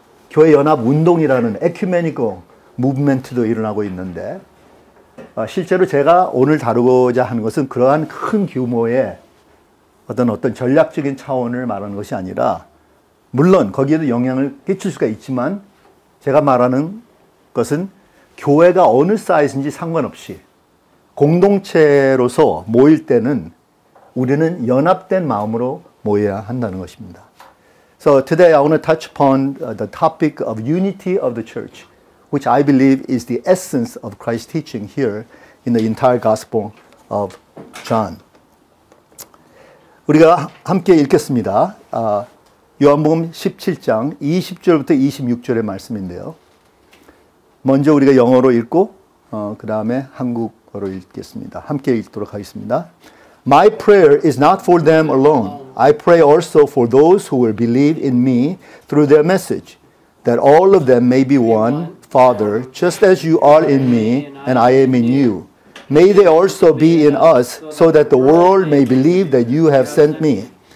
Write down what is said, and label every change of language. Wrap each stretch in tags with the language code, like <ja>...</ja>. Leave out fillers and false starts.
<ko>교회 연합 운동이라는 에큐메니컬 무브먼트도 일어나고 있는데 실제로 제가 오늘 다루고자 하는 것은 그러한 큰 규모의 어떤 전략적인 차원을 말하는 것이 아니라 물론 거기에도 영향을 끼칠 수가 있지만 제가 말하는 것은 교회가 어느 사이즈인지 상관없이 공동체로서 모일 때는 우리는 연합된 마음으로 모여야 한다는 것입니다.</ko> <en>So today I want to touch upon the topic of unity of the church, which I believe is the essence of Christ's teaching here in the entire Gospel of John.</en> <ko>우리가 함께 읽겠습니다. 요한복음 17장 20절부터 26절의 말씀인데요. 먼저 우리가 영어로 읽고 그 다음에 한국어로 읽겠습니다. 함께 읽도록 하겠습니다.</ko> <en>My prayer is not for them alone. I pray also for those who will believe in me through their message, that all of them may be one, Father, just as you are in me and I am in you. May they also be in us, so that the world may believe that you have sent me.</en>